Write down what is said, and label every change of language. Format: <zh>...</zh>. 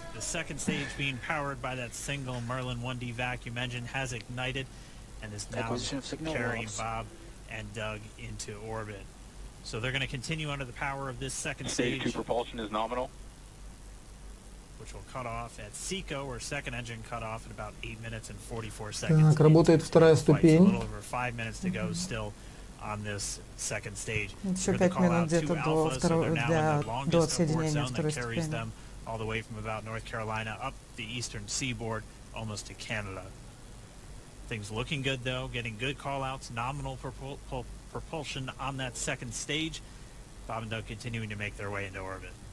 <en>The second stage being powered by that single Merlin 1D vacuum engine has ignited and is now carrying Bob and Doug into orbit. So they're going to continue under the power of this second stage. Stage 2 propulsion is nominal. Which will cut off at SECO, or second engine cut off at about 8 minutes and 44 seconds.</en> <ru>Так, работает вторая ступень.</ru> <en>A little over 5 minutes to go still on this second stage.</en> <ru>Еще 5 минут где-то до второго отсоединения второй ступени.</ru> <en>Carries them all the way from about North Carolina up the eastern seaboard almost to Canada. Things looking good though, getting good call-outs, nominal propulsion on that second stage. Bob and Doug continuing to make their way into orbit.</en>